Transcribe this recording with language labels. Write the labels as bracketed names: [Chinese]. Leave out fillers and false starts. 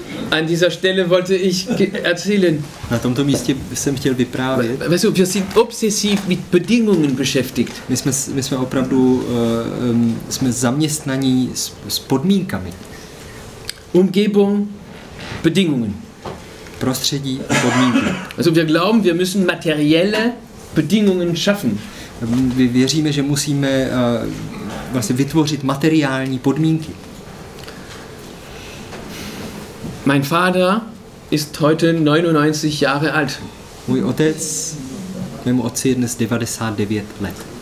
[German] An dieser Stelle wollte ich erzählen. [Czech] Na tomto místě jsem chtěl vyprávět. [German] Weißt du, wir sind obsessiv mit Bedingungen beschäftigt. [Czech] My jsme opravdu jsme zaměstnaní s podmínkami. [German] Umgebung, Bedingungen. [Czech] Prostředí, podmínky. [German] Also wir glauben, wir müssen materielle Bedingungen schaffen. [Czech] My věříme, že musíme vlastně vytvořit materiální podmínky. [German] Mein Vater ist heute 99 Jahre alt. [Czech] Můj otec, mému otci je dnes 99 let.